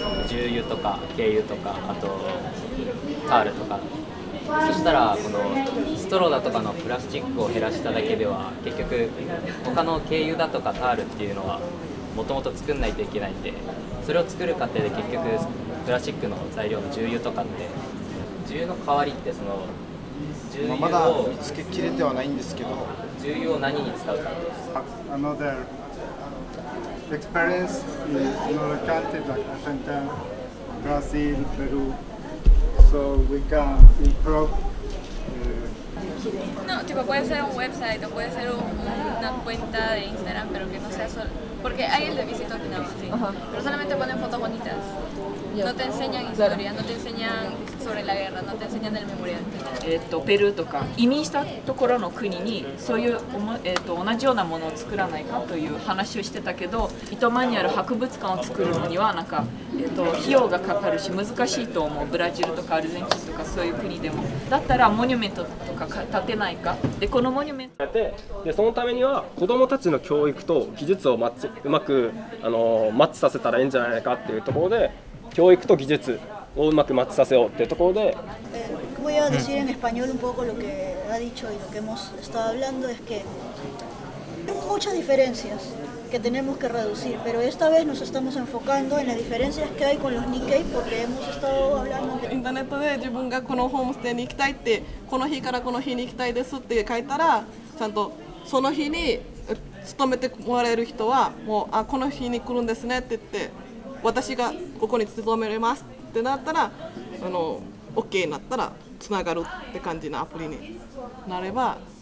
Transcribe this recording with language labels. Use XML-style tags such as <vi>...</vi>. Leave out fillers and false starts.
<ja>重油とか軽油とか、あとタオルとか、そしたらこのストローだとかのプラスチックを減らしただけでは、結局他の軽油だとかタオルっていうのはもともと作んないといけないんで、それを作る過程で結局プラスチックの材料の重油とかって、重油の代わりってその重油を、まあ、まだ見つけきれてはないんですけど、重油を何に使うかです。</ja> <en>Another experience in our country like Argentina, Brazil, Peru, so we can improve.</en> <es>No, tipo puede ser un website o puede ser una cuenta de Instagram, pero que no sea solo porque hay el de visita a Okinawa, sí. Pero solamente ponen fotos bonitas. No te enseñan historia, no te enseñan sobre la guerra, no te enseñan el memorial.</es> <ja>Perú とか移民したところの国にそういう同じようなものを作らないかという話をしてたけど、糸満にある博物館を作るのにはなんか費用がかかるし難しいと思う。ブラジルとかアルゼンチンとかそういう国でも、だったらモニュメントとか建てないか。でこのモニュメントでそのためには子どもたちの教育と技術をうまくマッチさせたらいいんじゃないかっていうところで、教育と技術をうまくマッチさせようっていうところで。</ja> <es>Voy a decir en español un poco lo que ha dicho y lo que hemos estado hablando, es que hay muchas diferencias que tenemos que reducir, pero esta vez nos estamos enfocando en las diferencias que hay con los Nikkei, porque hemos estado hablando de...</es> <ja>Internet で自分がこのホームステイに行きたいって、この日からこの日に行きたいですって書いたら、ちゃんとその日に勤めてもらえる人はもう、あ、この日に来るんですねって言って、私がここに勤めますってなったら、OK になったら繋がるって感じのアプリになれば。</ja>